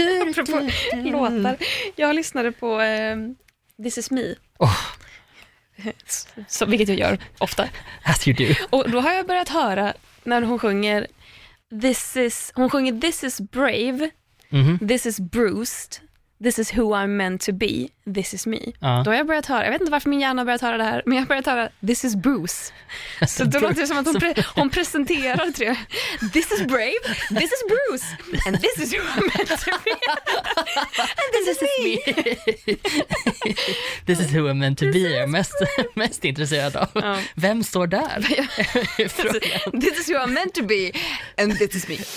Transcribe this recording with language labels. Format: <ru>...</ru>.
<sv>Apropå låtar. Jag lyssnade på This Is Me. Oh. Så, vilket jag gör ofta.</sv> <en>As you do.</en> <sv>Och då har jag börjat höra när hon sjunger</sv> <en>This is Brave,</en> <sv>mm-hmm.</sv> <en>This is Bruised, This is who I'm meant to be, This is me.</en> <sv>Då har jag börjat höra, jag vet inte varför min hjärna har börjat höra det här, men jag har börjat höra</sv> <en>This is Bruce.</en> <sv>Så då låter det som att hon presenterar tre.</sv> <en>This is Brave, This is Bruce, and This is who I'm meant to be, and this is me. This is who I'm meant to be,</en> <sv>jag är mest intresserad av. Vem står där?</sv> <en>This is who I'm meant to be, and this is me.</en>